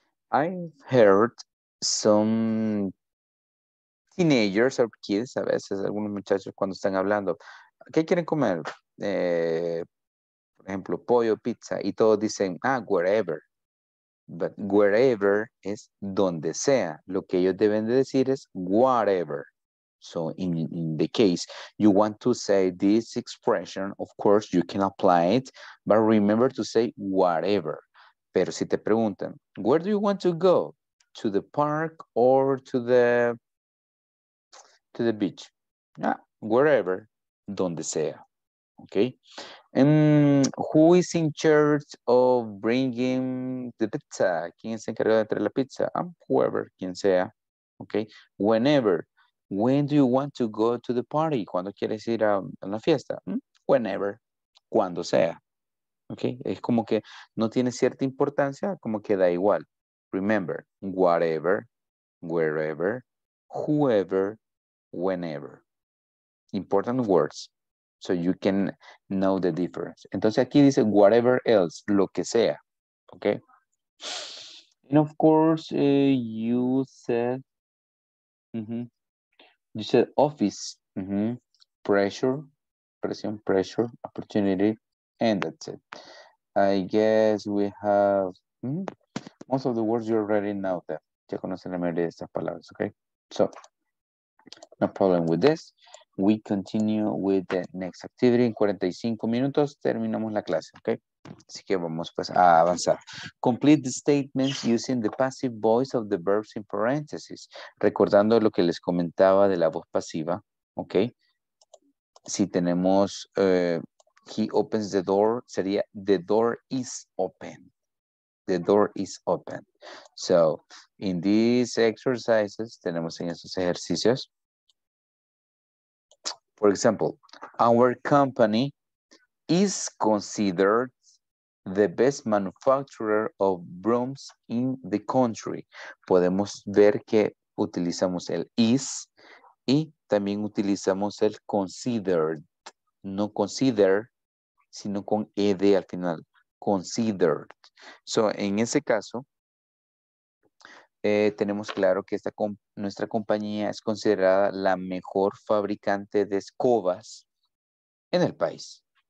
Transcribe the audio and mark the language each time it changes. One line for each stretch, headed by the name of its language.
English: I've heard some teenagers or kids,
Spanish: a veces algunos muchachos cuando están hablando, ¿qué quieren comer? Por ejemplo, pollo, pizza, y todos dicen, wherever.
English: But wherever
Spanish: es donde sea. Lo que ellos deben de decir es whatever.
English: So in the case, you want to say this expression, of course, you can apply it, but remember to say whatever.
Spanish: Pero si te preguntan,
English: where do you want to go? To the park or to the beach? Wherever.
Spanish: Donde sea, okay?
English: And who is in charge of bringing the pizza?
Spanish: ¿Quién se encarga de traer la pizza? Whoever, quien sea, okay?
English: Whenever, when do you want to go to the party?
Spanish: ¿Cuándo quieres ir a la fiesta? Whenever, cuando sea, okay? Es como que no tiene cierta importancia, como que da igual.
English: Remember, whatever, wherever, whoever, whenever. Important words, so you can know the difference.
Spanish: Entonces aquí dice
English: whatever else,
Spanish: lo que sea,
English: okay? And of course, you said, you said office, pressure, pressure, opportunity, and that's it. I guess we have most of the words you already know that.
Spanish: Ya conocen la mayoría de estas palabras, okay?
English: So, no problem with this. We continue with the next activity.
Spanish: En 45 minutos terminamos la clase, okay? Así que vamos pues a avanzar.
English: Complete the statements using the passive voice of the verbs in parentheses.
Spanish: Recordando lo que les comentaba de la voz pasiva, okay? Si tenemos,
English: he opens the door,
Spanish: sería
English: the door is open. The door is open. So, in these exercises,
Spanish: tenemos en estos ejercicios.
English: For example, our company is considered the best manufacturer of brooms in the country.
Spanish: Podemos ver que utilizamos el is y también utilizamos el considered. No consider, sino con ed al final. Considered. So, en ese caso, tenemos claro que esta nuestra compañía es considerada la mejor fabricante de escobas en el país.